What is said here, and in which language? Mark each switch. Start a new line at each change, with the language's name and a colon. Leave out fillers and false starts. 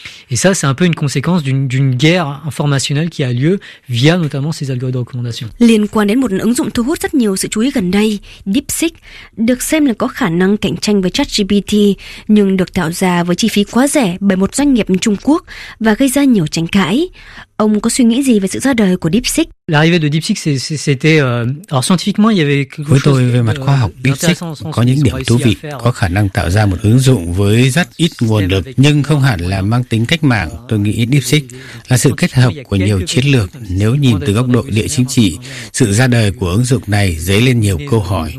French: Et ça, c'est un peu une conséquence d'une guerre informationnelle qui a lieu via notamment ces algorithmes de recommandation.
Vietnamese: Liên quan đến một ứng dụng thu hút rất nhiều sự chú ý gần đây, DeepSeek, được xem là có khả năng cạnh tranh với ChatGPT, nhưng được tạo ra với chi phí quá rẻ bởi một doanh nghiệp Trung Quốc và gây ra nhiều tranh cãi. Ông có suy nghĩ gì về sự ra đời của DeepSeek?
French: L'arrivée de DeepSeek, c'était scientifiquement, il y avait quelque chose.
Vietnamese: Với tôi, về mặt khoa học, DeepSeek có những điểm thú vị, có khả năng tạo ra một ứng dụng với rất ít nguồn lực, nhưng không hẳn là mang tính cách mạng. Tôi nghĩ DeepSeek là sự kết hợp của nhiều chiến lược. Nếu nhìn từ góc độ địa chính trị, sự ra đời của ứng dụng này dấy lên nhiều câu hỏi.